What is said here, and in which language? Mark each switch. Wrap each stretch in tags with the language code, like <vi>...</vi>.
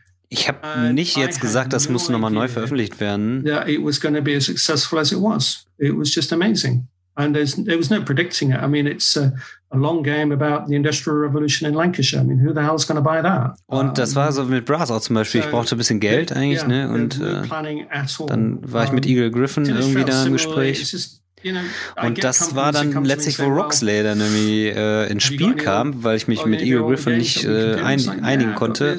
<de>Ich habe nicht jetzt gesagt, das muss nochmal neu veröffentlicht werden.</de> <en>Ja, it was going to be as successful as it was. It was just amazing. And there was no predicting it. I mean, it's a long game about the Industrial Revolution in Lancashire. I mean, who the hell is going to buy that?</en> <de>Und das war so mit Brass auch zum Beispiel. Ich brauchte ein bisschen Geld eigentlich, ne? Und dann war ich mit Eagle Griffin irgendwie da im Gespräch. Und das war dann letztlich, wo Roxley dann irgendwie ins Spiel kam, weil ich mich mit Eagle Griffin nicht einigen konnte.</de>